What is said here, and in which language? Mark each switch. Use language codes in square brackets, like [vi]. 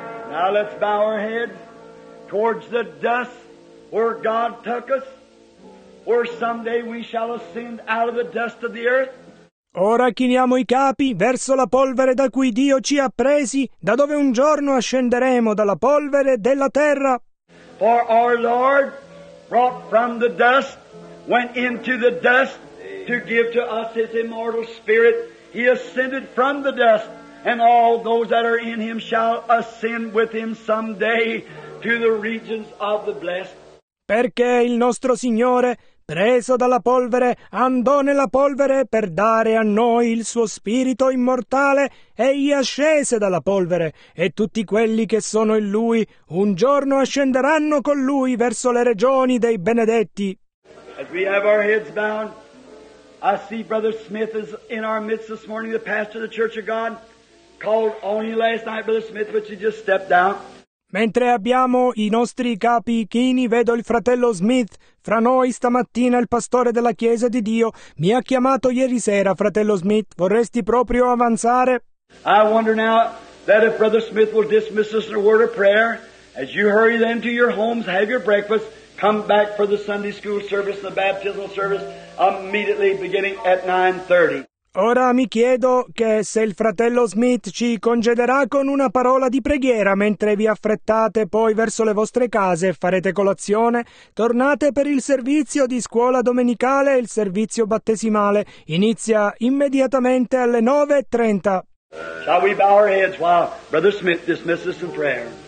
[en] Now let's bow our head towards the dust where God took us, where someday we shall ascend out of the dust of the earth. [it] Ora chiniamo i capi verso la polvere da cui Dio ci ha presi, da dove un giorno ascenderemo dalla polvere della terra. [en] For our Lord brought from the dust, went into the dust to give to us his immortal spirit. He ascended from the dust, and all those that are in him shall ascend with him someday to the regions of the blessed. [it] Perché il nostro Signore, preso dalla polvere, andò nella polvere per dare a noi il suo spirito immortale, egli ascese dalla polvere, e tutti quelli che sono in lui un giorno ascenderanno con lui verso le regioni dei benedetti. [en] As we have our heads bound, I see Brother Smith is in our midst this morning, the pastor of the Church of God. called on you last night, Brother Smith, but you just stepped out. [it] Mentre abbiamo i nostri capi chini, vedo il fratello Smith. Fra noi stamattina il pastore della Chiesa di Dio mi ha chiamato ieri sera, fratello Smith. Vorresti proprio avanzare? [en] I wonder now that if Brother Smith will dismiss us in a word of prayer, as you hurry then to your homes, have your breakfast, come back for the Sunday school service, the baptismal service, immediately beginning at 9:30. [it] Ora mi chiedo che se il fratello Smith ci congederà con una parola di preghiera mentre vi affrettate poi verso le vostre case e farete colazione, tornate per il servizio di scuola domenicale e il servizio battesimale. Inizia immediatamente alle 9:30. [en] Shall we bow our heads while Brother Smith dismisses in prayer?